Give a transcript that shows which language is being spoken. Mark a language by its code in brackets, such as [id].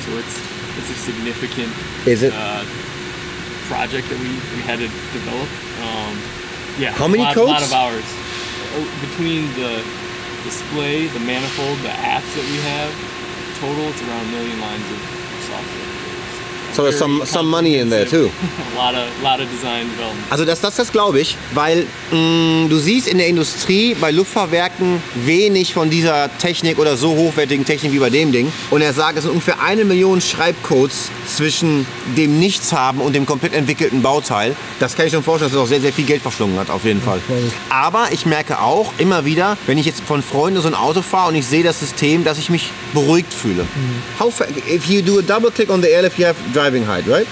[en] So it's a significant project that we had to develop. How many codes? A lot of hours. Between the display, the manifold, the apps that we have, total it's around a million lines of software. So there's some money in there too. a lot of design development. [de] Also das glaube ich, weil du siehst in der Industrie bei Luftfahrwerken wenig von dieser Technik oder so hochwertigen Technik wie bei dem Ding. Und er sagt, es sind ungefähr 1 Million Schreibcodes zwischen dem Nichtshaben und dem komplett entwickelten Bauteil. Das kann ich schon vorstellen, dass es auch sehr, sehr viel Geld verschlungen hat, auf jeden Fall. Aber ich merke auch immer wieder, wenn ich jetzt von Freunden so ein Auto fahre und ich sehe das System, dass ich mich beruhigt fühle. Mhm. [en] If you do a double click on the airlift, you have driving height, right?